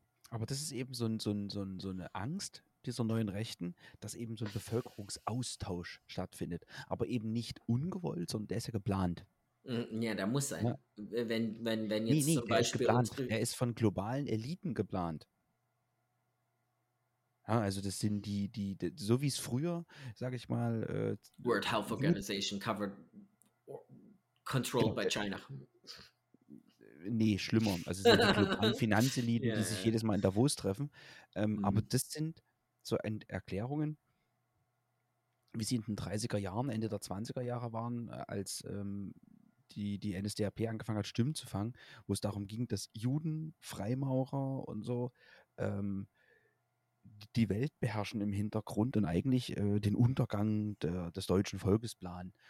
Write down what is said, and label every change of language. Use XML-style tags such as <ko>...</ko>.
<de>Aber das ist eben so eine Angst dieser neuen Rechten, dass eben so ein Bevölkerungsaustausch stattfindet. Aber eben nicht ungewollt, sondern der ist ja geplant. Ja, der muss sein. Ja. Wenn jetzt zum Beispiel... Er ist von globalen Eliten geplant. Ja, also das sind die so wie es früher, sag ich mal...</de> <en>World Health Organization covered, controlled by China.</en> <de>Nee, schlimmer. Also es sind die globalen Finanzeliten, yeah, die sich jedes Mal in Davos treffen. Aber das sind so Erklärungen, wie sie in den 30er Jahren, Ende der 20er Jahre waren, als die NSDAP angefangen hat, Stimmen zu fangen, wo es darum ging, dass Juden, Freimaurer und so die Welt beherrschen im Hintergrund und eigentlich den Untergang des deutschen Volkes planen.</de>